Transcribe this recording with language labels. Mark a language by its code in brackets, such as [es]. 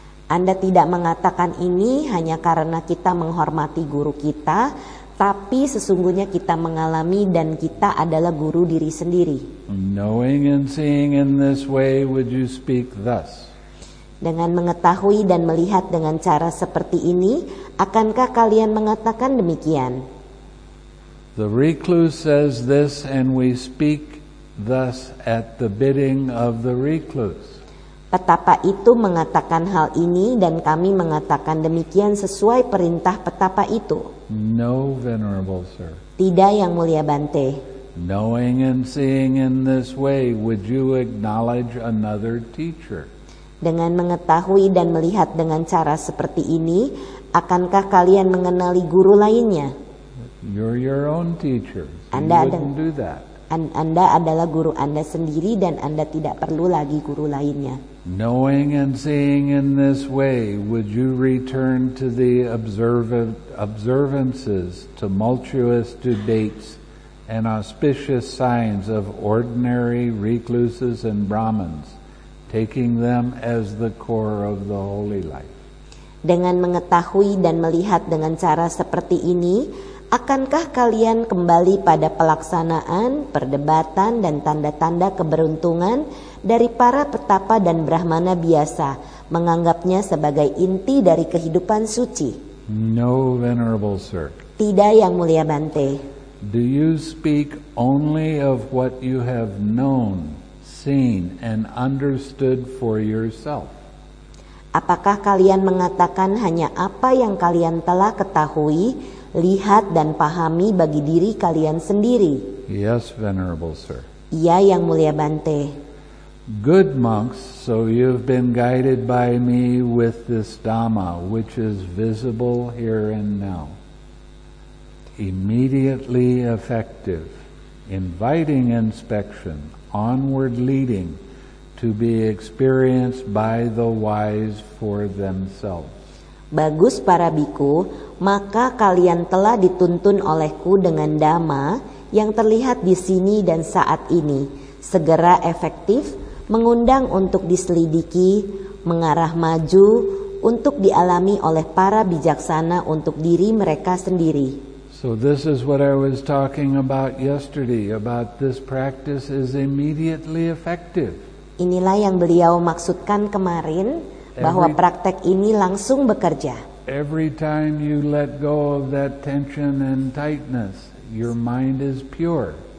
[id] Anda tidak mengatakan ini hanya karena kita menghormati guru kita, tapi sesungguhnya kita mengalami dan kita adalah guru diri sendiri. [en] Knowing and seeing in this way, would you speak thus? [id] Dengan mengetahui dan melihat dengan cara seperti ini, akankah kalian mengatakan demikian? [en] The recluse says this, and we speak thus at the bidding of the recluse. [id] Petapa itu mengatakan hal ini, dan kami mengatakan demikian sesuai perintah petapa itu. [en] No, venerable sir. [id] Tidak, yang mulia Bante. [en] Knowing and seeing in this way, would you acknowledge another teacher? [id] Dengan mengetahui dan melihat dengan cara seperti ini, akankah kalian mengenali guru lainnya? [en] You're your own teacher. [id] Anda [en] you wouldn't do that. [id] Anda adalah guru Anda sendiri dan Anda tidak perlu lagi guru lainnya. [en] Knowing and seeing in this way, would you return to the observances, tumultuous debates, and auspicious signs of ordinary recluses and Brahmins, taking them as the core of the holy life? [id] Dengan mengetahui dan melihat dengan cara seperti ini, akankah kalian kembali pada pelaksanaan, perdebatan, dan tanda-tanda keberuntungan dari para petapa dan brahmana biasa, menganggapnya sebagai inti dari kehidupan suci? [en] No, venerable sir. [id] Tidak, yang mulia Bante. [en] Do you speak only of what you have known, seen, and understood for yourself? [id] Apakah kalian mengatakan hanya apa yang kalian telah ketahui, lihat dan pahami bagi diri kalian sendiri? [en] Yes, venerable sir. [id] Iya, yang mulia Bante. [en] Good monks, so you've been guided by me with this Dhamma, which is visible here and now. Immediately effective, inviting inspection, onward leading, to be experienced by the wise for themselves. [id] Bagus para biku, maka kalian telah dituntun olehku dengan dhamma yang terlihat di sini dan saat ini, segera efektif, mengundang untuk diselidiki, mengarah maju, untuk dialami oleh para bijaksana untuk diri mereka sendiri. [en] So this is what I was talking about yesterday, about this practice is immediately effective. [id] Inilah yang beliau maksudkan kemarin, bahwa praktek ini langsung bekerja. [en] Every time you let go of that tension and tightness, your mind is pure.